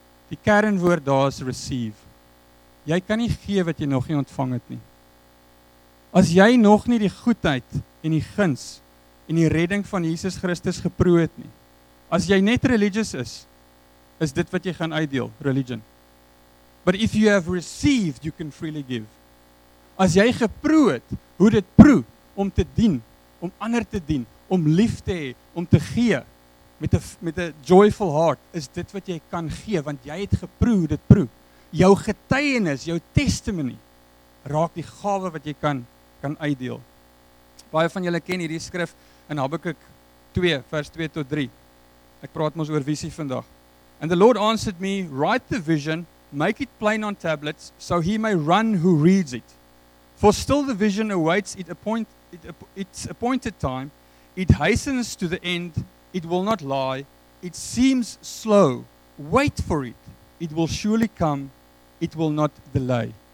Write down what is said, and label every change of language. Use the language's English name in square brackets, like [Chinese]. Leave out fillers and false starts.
[Afrikaans] Die kernwoord daar is receive. Jy kan nie gee wat jy nog nie ontvang het nie. As jy nog nie die goedheid en die guns en die redding van Jesus Christus geproe het nie, as jy net religious is, is dit wat jy gaan uitdeel, religion. [English] But if you have received, you can freely give. [Afrikaans] As jy geproe het, hoe dit proe om te dien, om ander te dien, om lief te hê, om te gee, met [English] a joyful heart, [Afrikaans] is dit wat jy kan gee, want jy het geproe hoe dit proe. Jou getuienis, jou testimony, raak die gawe wat jy kan uitdeel. Baie van julle ken hierdie skrif in Habakuk 2, vers 2 tot 3. Ek praat mos oor visie vandag. [English] And the Lord answered me, write the vision, make it plain on tablets, so he may run who reads it. For still the vision awaits its appointed time, it hastens to the end, it will not lie, it seems slow, wait for it, it will surely come, it will not delay.